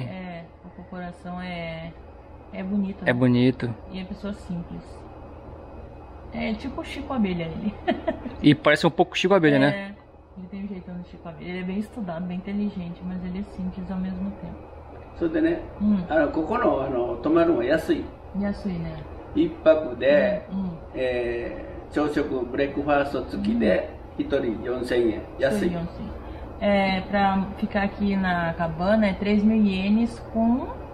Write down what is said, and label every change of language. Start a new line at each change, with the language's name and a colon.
Portuguese: É, o coração é... É bonito. É, né? Bonito. E é pessoa simples. É tipo o Chico Abelha ele. E parece um pouco Chico Abelha, né? É. Ele tem um jeitão do Chico Abelha. Ele é bem estudado, bem inteligente, mas ele é simples ao mesmo tempo. Só de né?
Japanese: ここの、あの、泊まるのは安い。安いね。一泊で、朝食、ブレックファースト付きで、一人4000円。安い。
Portuguese: É, pra ficar aqui na cabana é 3 mil ienes com...